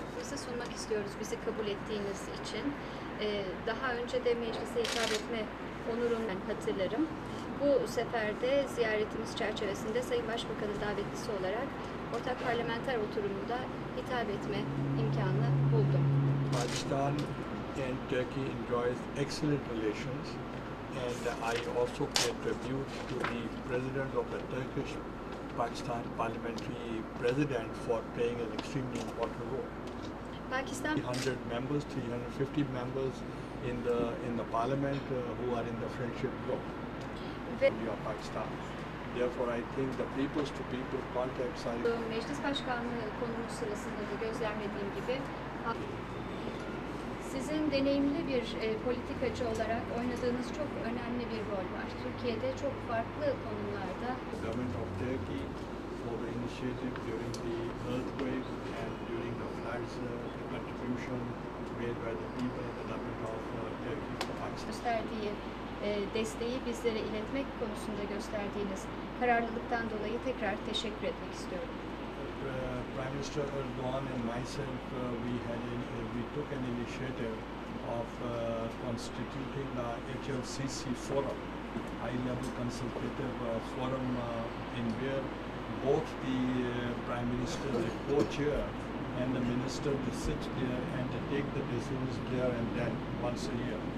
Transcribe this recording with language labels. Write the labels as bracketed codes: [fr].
[tr] Bizi sunmak istiyoruz, bizi kabul ettiğiniz için. Daha önce de meclise hitap etme onurum ben hatırlarım. Bu sefer de ziyaretimiz çerçevesinde Sayın Başbakan'ın davetlisi olarak ortak parlamenter oturumunda hitap etme imkanını buldum. [en] Pakistan and Turkey enjoys excellent relations and I also pay tribute to the president of the Turkish Pakistan parliamentary president for playing an extremely important role. Pakistan 300 members, 350 members in the parliament who are in the friendship group. We are Pakistan. Therefore, I think the people-to-people contacts are... [tr] Meclis Başkanlığı konumu sırasında da gözlemlediğim gibi, sizin deneyimli bir politikacı olarak oynadığınız çok önemli bir rol var. Türkiye'de çok farklı konumlarda... [en] The government of Turkey for the initiative during the earthquake and during the floods, the contribution made by the people in the government of Turkey for Pakistan. [tr] Desteği bizlere iletmek konusunda gösterdiğiniz kararlılıktan dolayı tekrar teşekkür etmek istiyorum. [en] Prime Minister Erdogan and myself, we took an initiative of constituting the HLCC forum, high level consultative forum, in where both the Prime Minister, the co-chair, and the minister, they sit there and take the decisions there and then once a year.